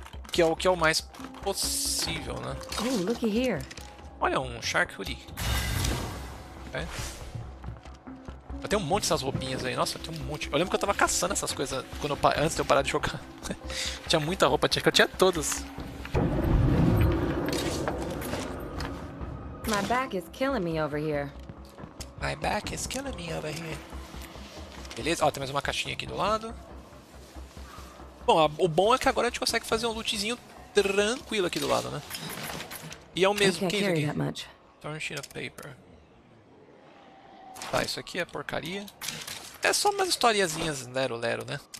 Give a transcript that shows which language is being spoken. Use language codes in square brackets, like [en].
[pt] Que é o mais possível, né? [en] Oh, looky here. [pt] Olha, um Shark Hoodie. É. Eu tenho um monte dessas roupinhas aí. Nossa, tem um monte. Eu lembro que eu tava caçando essas coisas quando antes de eu parar de jogar. Tinha muita roupa, acho que eu tinha todas. [en] My back is killing me over here. My back is killing me over here. [pt] Beleza? Ó, tem mais uma caixinha aqui do lado. Bom, o bom é que agora a gente consegue fazer um lootzinho tranquilo aqui do lado, né? E é o mesmo que isso aqui. [en] Torn sheet of paper. [pt] Tá, isso aqui é porcaria. É só umas historiazinhas lero lero, né?